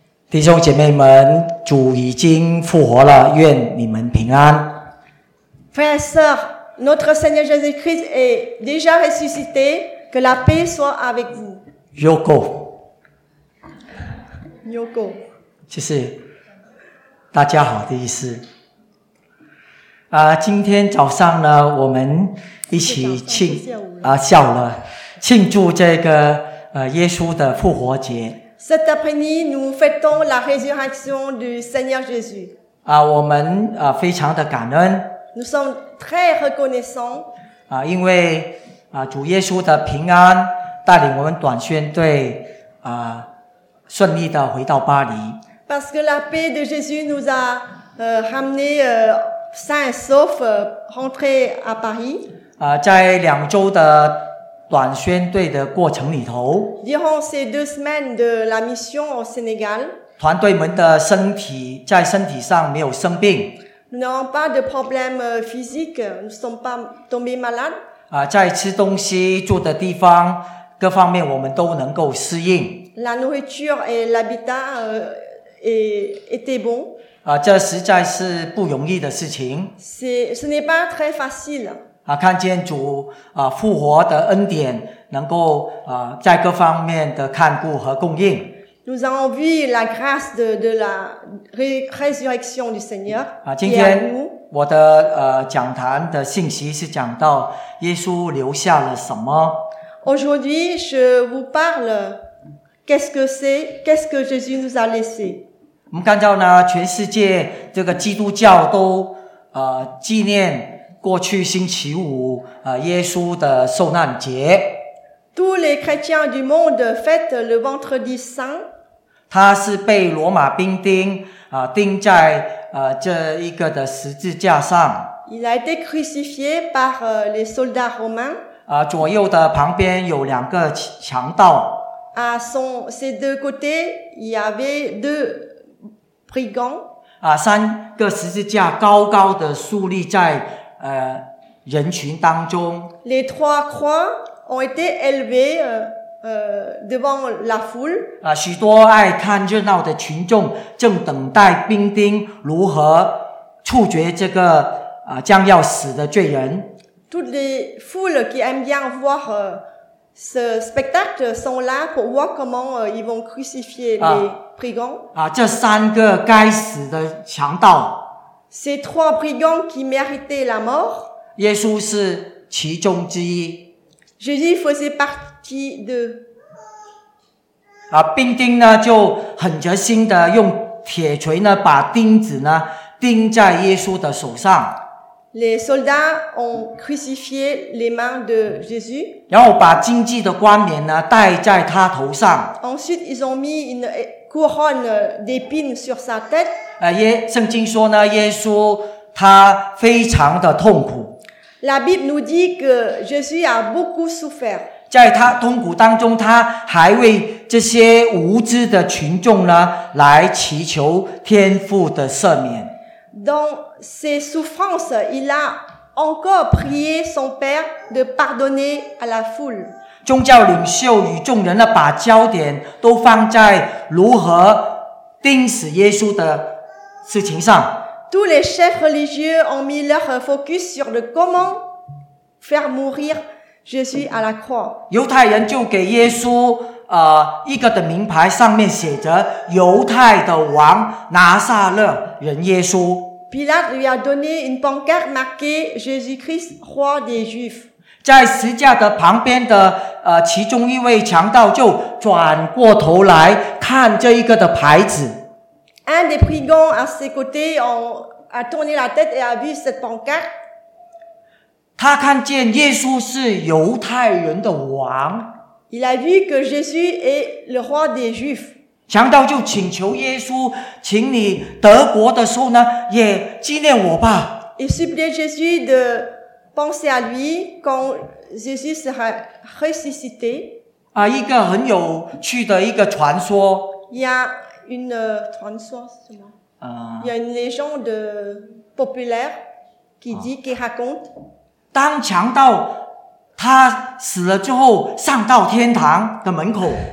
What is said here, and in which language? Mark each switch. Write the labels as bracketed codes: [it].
[zh] 弟兄姐妹们，主已经复活了，愿你们平安。 [fr] Frères et sœurs, notre Seigneur Jésus-Christ est déjà ressuscité, que la paix soit avec vous. Yoko. Yoko. [zh] 就是大家好的意思。今天早上呢，我们一起庆下午了，庆祝这个耶稣的复活节。 [fr] Cet après-midi, nous fêtons la résurrection du Seigneur Jésus. [zh] 我们非常的感恩。 [fr] Nous sommes très reconnaissants. [zh] 因为主耶稣的平安带领我们短宣队顺利的回到巴黎。 [fr] Parce que la paix de Jésus nous a ramenés sains et saufs rentrés à Paris. [zh] 在两周的短宣队的过程里头， [fr] durant ces deux semaines de la mission au Sénégal， [zh] 团队们的身体在身体上没有生病， [fr] nous n'avons pas de problème physique， nous ne sommes pas tombés malades， [zh] 在吃东西住的地方各方面我们都能够适应， [fr] la nourriture et l'habitat était bon， [zh] 这实在是不容易的事情， [fr] ce n'est pas très facile。 [zh] 看见主复活的恩典，能够在各方面的看顾和供应。 [fr] Nous avons vu la grâce de la résurrection du Seigneur. [zh] 今天我的讲坛的信息是讲到耶稣留下了什么。 [fr] Aujourd'hui, je vous parle qu'est-ce que Jésus nous a laissé. [zh] 我们看到呢，全世界这个基督教都纪念。过去星期五耶稣的受难节。 [fr] Tous les chrétiens du monde fêtent le vendredi saint. [zh] 他是被罗马兵丁钉在这一个的十字架上。 [fr] Il a été crucifié par les soldats romains. [zh] 左右的旁边有两个强盗。 [fr] À ses deux côtés, il y avait deux brigands. [zh] 三个十字架高高的竖立在人群当中。 [fr] Les trois croix ont été élevées devant la foule. [zh] 许多爱看热闹的群众正等待兵丁如何处决这个将要死的罪人。 [fr] Toutes les foules qui aiment bien voir ce spectacle sont là pour voir comment ils vont crucifier les brigands. [zh] 这三个该死的强盗。 [fr] Ces trois brigands qui méritaient la mort. [zh] 耶稣是其中之一。 [fr] Jésus faisait partie d'eux. [zh] 兵丁呢就狠着心的用铁锤呢把钉子呢钉在耶稣的手上。 [fr] Les soldats ont crucifié les mains de Jésus. [zh] 然后把荆棘的冠冕呢戴在他头上。 [fr] Ensuite, ils ont mis une couronne d'épines sur sa tête. [zh] 圣经说呢，耶稣他非常的痛苦。 [fr] La Bible nous dit que Jésus a beaucoup souffert. [zh] 在他痛苦当中，他还为这些无知的群众呢，来祈求天父的赦免。 [fr] Dans ses souffrances, il a encore prié son père de pardonner à la foule. [zh] 宗教领袖与众人呢，把焦点都放在如何钉死耶稣的。事情上 [fr] Tous les chefs religieux ont mis leur focus sur le comment faire mourir Jésus à la croix. [zh] 犹太人就给耶稣一个的名牌，上面写着犹太的王拿撒勒人耶稣。 [fr] Pilate lui a donné une pancarte marquée Jésus-Christ, roi des Juifs. [zh] 在十字架的旁边的其中一位强盗就转过头来看这一个的牌子。 [fr] Un des brigands à ses côtés a tourné la tête et a vu cette pancarte. [zh] 他看见耶稣是犹太人的王。 [fr] Il a vu que Jésus est le roi des Juifs. [zh] 强盗就请求耶稣，请你得国的时候呢，也纪念我吧。 [fr] Il supplie Jésus de penser à lui quand Jésus sera ressuscité. [zh] 一个很有趣的一个传说。 [fr] Une [zh] 传说什么？ [fr] Il y a une légende populaire qui dit, qui raconte. [zh] 当强盗他死了之后，上到天堂的门口。